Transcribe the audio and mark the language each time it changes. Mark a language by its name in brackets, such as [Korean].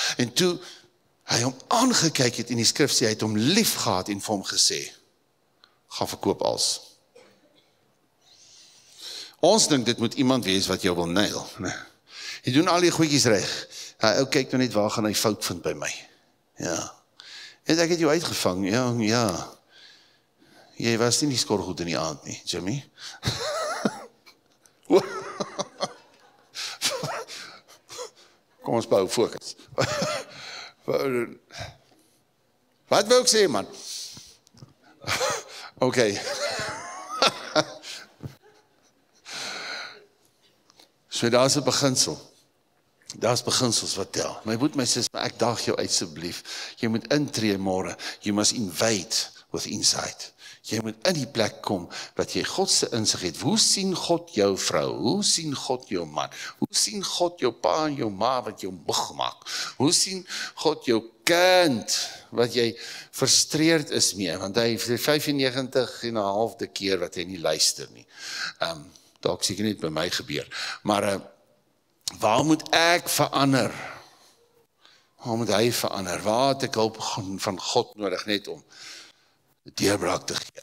[Afrikaans] En toe hy hom aangekyk het en die skrif sê hy het hom lief gehad en vir hom gesê, gaan verkoop alles. Ons dink dit moet iemand wees wat jou wil nail. Jy doen al die goedjies reg. Hy ook kyk nou net waar gaan hy fout vind by my. Ja. En ek het jou uitgevang, ja, ja. Jy was nie die skorgoed in die aand nie, Jimmy. Kom ons bou fokus. Wat wil ek sê, man? Okay. So daar is 'n beginsel. Daar is beginsels wat tel. My broer, my sis, ek daag jou uit asseblief. Jy moet intree môre. [English] You must invade with insight. [Afrikaans] Jy moet in die plek kom wat jy God se insig het. Hoe sien God jou vrou? Hoe sien God jou man? Hoe sien God jou pa en jou ma wat jou moeg maak? Hoe sien God jou kind wat jy frustreerd is mee? Want hy 95 en 'n halfde keer wat hy nie luister nie. Dalk seker net by my gebeur. Maar waar moet ek verander? Waar moet hy verander? Waar het ek hulp van God nodig net om deurbraak te gee?